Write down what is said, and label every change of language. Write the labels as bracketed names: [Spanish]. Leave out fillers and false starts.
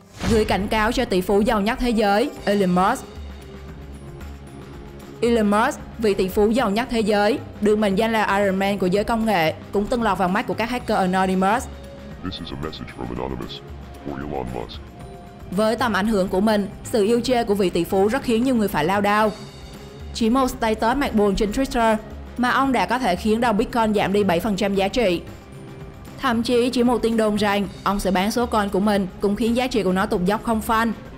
[Vietnamese] Gửi cảnh cáo cho tỷ phú giàu nhất thế giới, Elon Musk. Elon Musk, vị tỷ phú giàu nhất thế giới, được mệnh danh là Iron Man của giới công nghệ, cũng từng lọt vào mắt của các hacker Anonymous. [English] This is a message from Anonymous for Elon Musk. [Vietnamese] Với tầm ảnh hưởng của mình, sự yêu chê của vị tỷ phú rất khiến nhiều người phải lao đao. Chỉ một status mạc buồn trên Twitter mà ông đã có thể khiến đồng Bitcoin giảm đi 7% giá trị. Thậm chí chỉ một tin đồn rằng ông sẽ bán số coin của mình cũng khiến giá trị của nó tụt dốc không phanh.